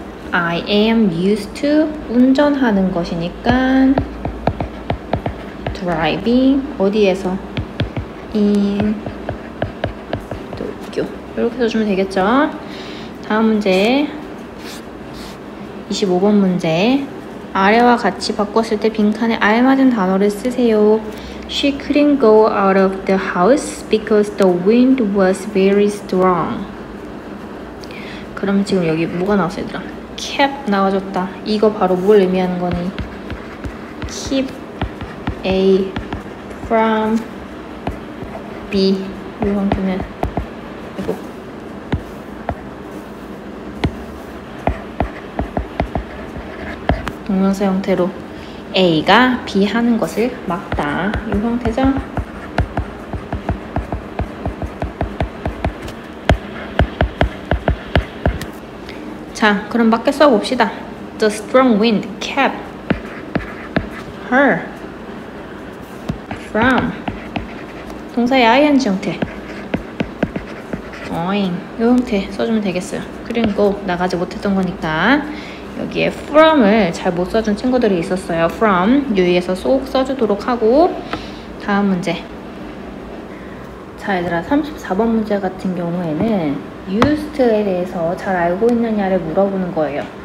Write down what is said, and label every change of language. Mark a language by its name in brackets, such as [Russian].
[English] I am used to [Korean] 운전하는 것이니까 [English] driving [Korean] 어디에서? in 도쿄 이렇게 써주면 되겠죠? 다음 문제 25번 문제 아래와 같이 바꿨을 때 빈칸에 알맞은 단어를 쓰세요. [English] She couldn't go out of the house because the wind was very strong. [Korean] 그러면 지금 여기 뭐가 나왔어 얘들아? kept 나와줬다. 이거 바로 뭘 의미하는 거니? keep A from B 이 상태는 이거 동명사 형태로 A가 B 하는 것을 막다 이 상태죠? 자 그럼 맞게 써봅시다. [English] The strong wind kept her from [Korean] 동사의 ing 형태 [English] going [Korean] 이 형태 써주면 되겠어요. 그리고 나가지 못했던 거니까 여기에 from을 잘 못 써준 친구들이 있었어요. from 유의해서 쏙 써주도록 하고 다음 문제 자 얘들아 34번 문제 같은 경우에는 used에 대해서 잘 알고 있느냐를 물어보는 거예요.